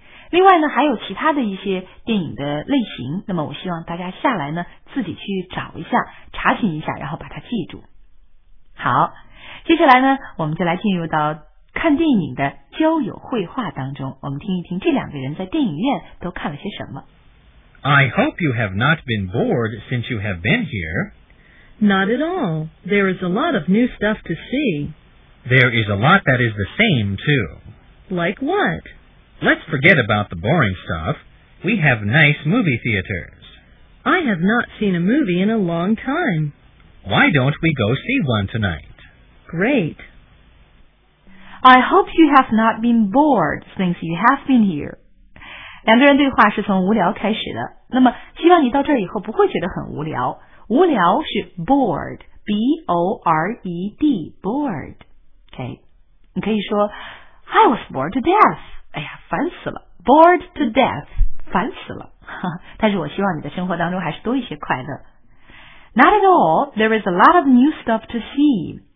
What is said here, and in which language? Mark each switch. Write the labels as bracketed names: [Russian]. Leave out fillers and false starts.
[Chinese] 另外呢还有其他的一些电影的类型，那么我希望大家下来呢自己去找一下，查询一下，然后把它记住。好，接下来呢我们就来进入到看电影的交友会话当中，我们听一听这两个人在电影院都看了些什么。 [English] I hope you have not been bored since you have been here。 Not at all. There is a lot of new stuff to see. There is a lot that is the same, too. Like what? Let's forget about the boring stuff. We have nice movie theaters. I have not seen a movie in a long time. Why don't we go see one tonight? Great. I hope you have not been bored since you have been here. [Chinese] 两个人对话是从无聊开始的，那么希望你到这儿以后不会觉得很无聊。无聊是 bored， B-O-R-E-D， bored。 [English] okay， [Chinese] 你可以说 [English] I was bored to death， [Chinese] 哎呀烦死了， [English] bored to death， [Chinese] 烦死了。但是我希望你的生活当中还是多一些快乐。 [English] Not at all， there is a lot of new stuff to see。